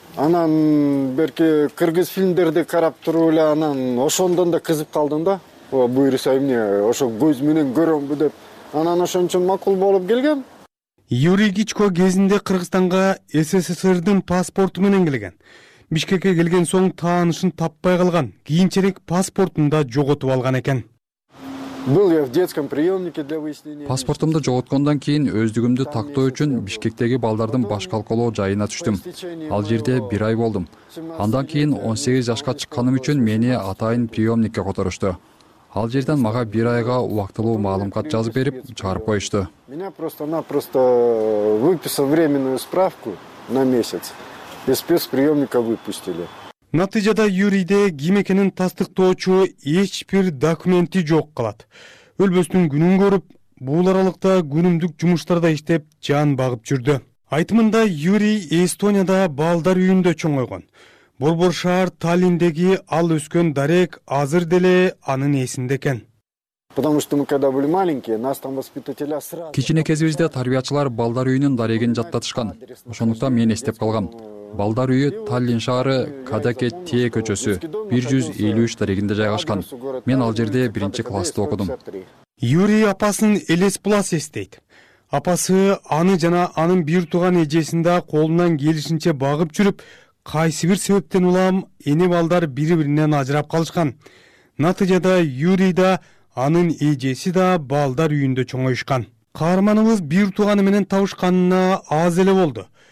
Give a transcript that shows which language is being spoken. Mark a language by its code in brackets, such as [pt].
[ky] Анан берки кыргыз фильмдерди карап туруп эле анан ошондон да кызып калдым да. Буюрса эмне ошо көз менен көрөмбү деп. Анан ошон үчүн макул болуп келгем. Юрий Гичко кезинде Кыргызстанга СССРдин паспорту менен келген. Бишкекке келген соң таанышын таппай калган. Кийинчерээк паспортун да жоготуп алган экен. [ru] Был я в детском приемнике для выяснения. [ky] Паспортумду жоготкондон кийин өздүгүмдү тактоо үчүн Бишкектеги балдардын баш калкалоо жайына түштүм. Ал жерде бир ай болдум. Андан кийин 18 жашка чыкканым үчүн мени атайын приемникке которушту. Ал жерден мага бир айга убактылуу маалымат жазып берип, чыгарып коюшту. [ru] Меня просто-напросто выписал временную справку на месяц и спецприемника выпустили. [ky] Натыйжада Юрийде ким экенин тастыктоочу эч бир документи жок калат. Өлбөстүн күнүн көрүп, бул аралыкта күнүмдүк жумуштарда иштеп, жан багып жүрдү. Айтымында Юрий Эстонияда балдар үйүндө чоңойгон. Борбор шаар Таллиндеги ал өскөн дарек азыр деле анын эсинде экен. [ru] Потому что мы когда были маленькие, нас там воспитателя сразу. [ky] Кичине кезибизде тарбиячылар балдар үйүнүн дарегин жаттатышкан. Ошондуктан мен эстеп калгам. Балдар үйү Таллин шаары Кадаке Тие көчөсү 153 дарегинде жайгашкан. Мен ал жерде биринчи классты окудум. Юрий апасын Элес Плас эстейт. Апасы аны жана анын бир тууган эжесин да колунан келишинче багып жүрүп, кайсы бир себептен улам эне балдар бири-биринен ажырап калышкан. Натыйжада Юрий да анын эжеси да балдар үйүндө чоңойушкан. Каарманыбыз бир тууганы менен табышканына аз эле болду.